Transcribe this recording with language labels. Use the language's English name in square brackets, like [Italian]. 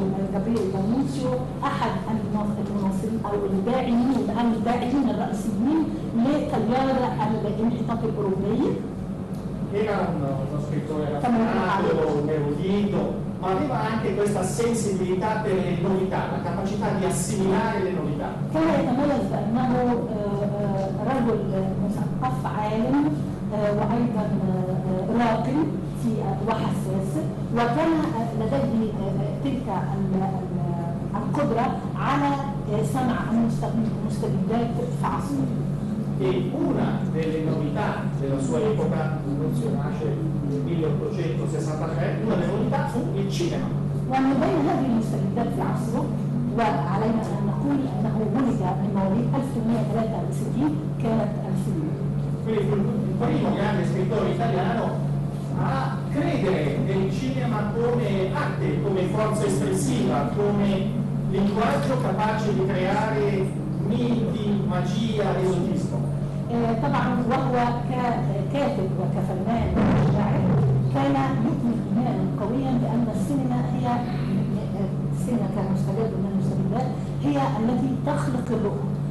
[Arabic] L'Annunzio أحد المناصرين أو الداعمين أو الداعمين الرئيسيين لتيار الانحطاط الأوروبي. [Italian] Era uno scrittore raffinato, erudito, ma aveva anche questa sensibilità per le novità, la capacità di assimilare le novità. [Arabic] كان يتميز بأنه رجل مثقف عالم وأيضا راقي في وحساس وكان لديه تلك القدرة على صنع مستجدات في عصره. [Italian] Una delle novità della sua epoca, Annunzio nasce nel 1863, una delle novità fu il cinema. [Arabic] ومن بين هذه المستجدات في عصره وعلينا أن نقول أنه ولد في مواليد 1863 كانت السينما. [Italian] Primo grande scrittore italiano a credere nel cinema come arte, come forza espressiva, come linguaggio capace di creare miti, magia, esotismo. [Arabic] طبعا وهو ككاتب وكفنان وشاعر كان يؤمن إيمانا قويا بأن السينما هي السينما كمستجد من المستجدات هي التي تخلق الرؤى.